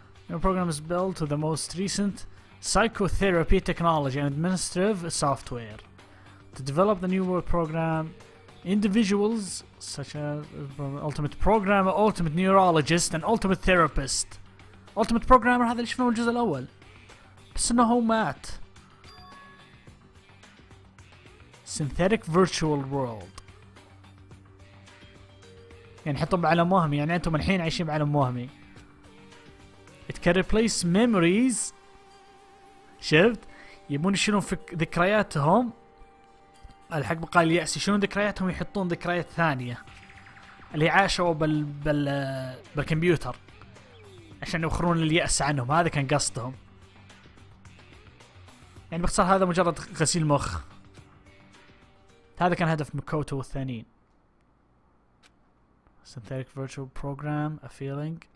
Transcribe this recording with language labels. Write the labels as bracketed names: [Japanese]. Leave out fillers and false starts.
[English] Your program is built to the most recent psychotherapy technology and administrative software. To develop the new world program, individuals such as ultimate programmer, ultimate neurologist and ultimate therapist. Ultimate programmer [Arabic] هذا اللي شفناه الجزء الاول. بس انه هو مات. [English] Synthetic virtual world. [Arabic] يعني حطهم بعالم وهمي، يعني انتم الحين عايشين بعالم وهمي. [English] It can replace memories. [Arabic] شفت؟ يبون يشيلون ذكرياتهم. الحق بقى اليأس يشيلون ذكرياتهم يحطون ذكريات ثانية. اللي عاشوا بالكمبيوتر. عشان يوخرون اليأس عنهم، هذا كان قصدهم. يعني باختصار هذا مجرد غسيل مخ. هذا كان هدف مكوتو والثانيين. [English] Synthetic virtual program, a feeling.